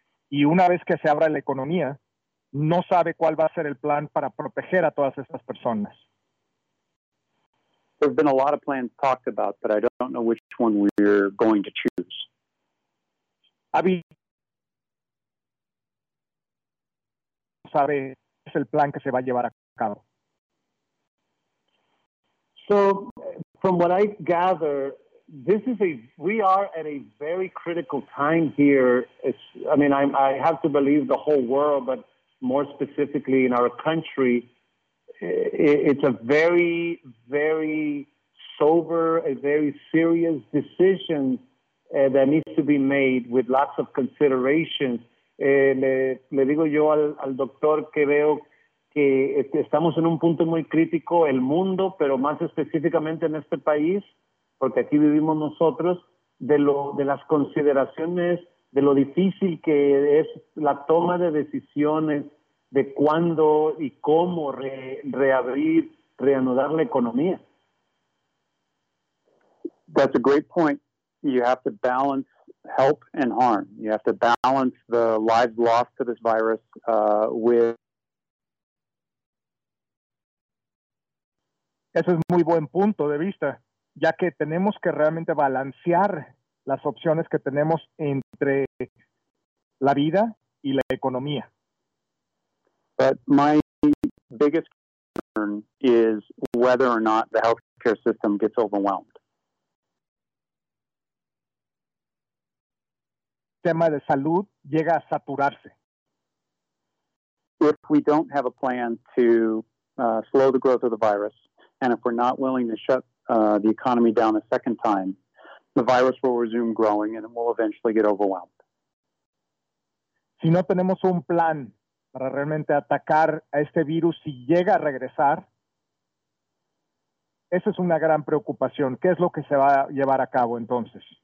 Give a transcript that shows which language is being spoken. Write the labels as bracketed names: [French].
[Spanish] Y una vez que se abra la economía, no sabe cuál va a ser el plan para proteger a todas estas personas. [English] There have been a lot of plans talked about, but I don't know which one we're going to choose. [Spanish] ¿Sabe el plan que se va a llevar a cabo? [English] So, from what I gather, we are at a very critical time here. I have to believe the whole world, but more specifically in our country, it's a very, very sober, a very serious decision that needs to be made with lots of considerations. [Spanish] Le digo yo al doctor que veo que estamos en un punto muy crítico, el mundo, pero más específicamente en este país, porque aquí vivimos nosotros, de las consideraciones, de lo difícil que es la toma de decisiones de cuándo y cómo reanudar la economía. [English] That's a great point. You have to balance help and harm. You have to balance the lives lost to this virus with... [Spanish] Ese es muy buen punto de vista, ya que tenemos que realmente balancear las opciones que tenemos entre la vida y la economía. [English] But my biggest concern is whether or not the healthcare system gets overwhelmed. [Spanish] El tema de salud llega a saturarse. [English] If we don't have a plan to slow the growth of the virus, and if we're not willing to shut the economy down a second time, the virus will resume growing and it will eventually get overwhelmed. [Spanish] Si no tenemos un plan para realmente atacar a este virus si llega a regresar, esa es una gran preocupación. ¿Qué es lo que se va a llevar a cabo entonces?